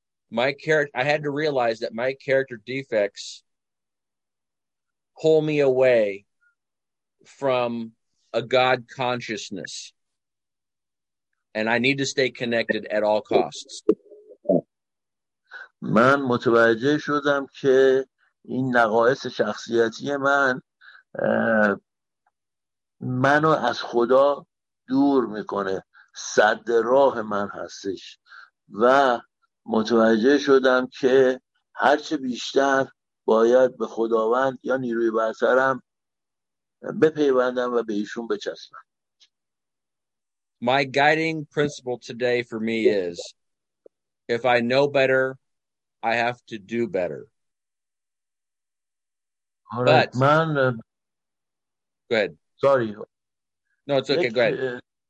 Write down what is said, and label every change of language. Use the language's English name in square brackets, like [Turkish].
[English] My character, I had to realize that my character defects pull me away from a God consciousness, and I need to stay connected at all costs. [Persian] من متوجه شدم که این نقایص شخصیتی من منو از خدا دور میکنه، سد راه من هستش و متوجه شدم که هرچه بیشتر باید به خداوند یا نیروی برترم بپیوندم و به ایشون بچسبم. [English] My guiding principle today for me is if I know better, I have to do better. But man, go ahead. Sorry. No, it's okay. Go ahead.